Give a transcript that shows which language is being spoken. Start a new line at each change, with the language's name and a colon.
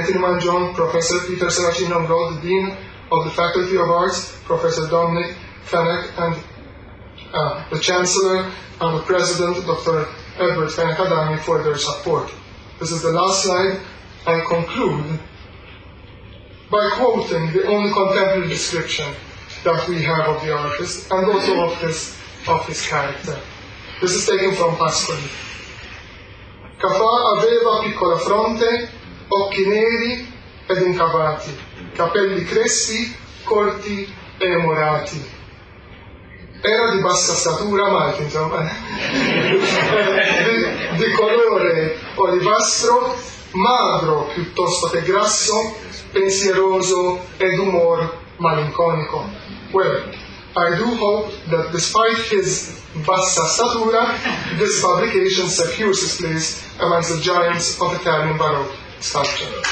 English: Anthony Mangione, Professor Peter Saracino, the Dean of the Faculty of Arts, Professor Dominic Fennec, and the Chancellor and the President, Dr. Edward Fennec Adami, for their support. This is the last slide. I conclude by quoting the only contemporary description that we have of the artist, and also of his character. This is taken from Pasquale.
Italian: Caffà aveva piccola fronte, occhi neri ed incavati, capelli crespi, corti e morati. Era di bassa statura, ma insomma, di colore olivastro, magro piuttosto che grasso, pensieroso ed umor malinconico.
English: Well, I do hope that despite his
Italian: bassa statura,
English: this publication secures his place amongst the giants of Italian Baroque sculpture.